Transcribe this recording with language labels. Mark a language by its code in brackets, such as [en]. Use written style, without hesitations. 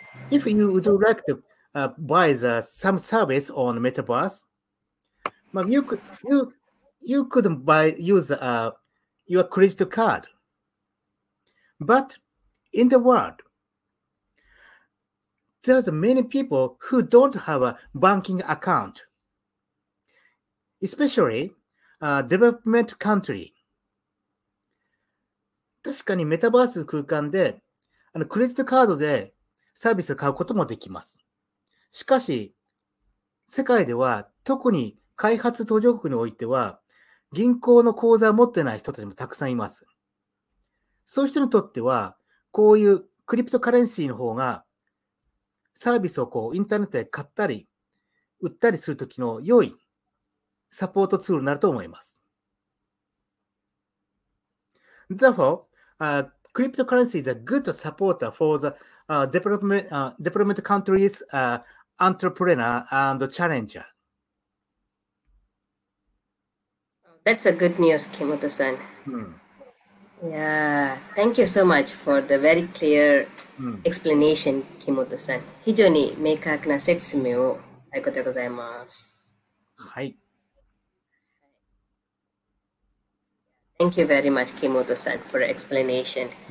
[en] If you would like to buy the some service on metaverse, you could use your credit card. But in the world, there's many people who don't have a banking account, especially development country. [ja] 確かにメタバース空間で、あのクレジットカードでサービスを買うこともできます。しかし、世界では特に開発途上国においては、銀行の口座を持ってない人たちもたくさんいます。そういう人にとっては、こういうクリプトカレンシーの方が、サービスをこうインターネットで買ったり、売ったりするときの良いサポートツールになると思います。 [en] Therefore, cryptocurrency is a good supporter for the development countries, entrepreneur and challenger. That's a good news, Kimoto-san. Mm. Yeah, thank you so much for the very clear explanation, Kimoto-san. [ja] 非常に明確な説明をありがとうございます。はい。 [en] Thank you very much, Kimoto-san, for the explanation.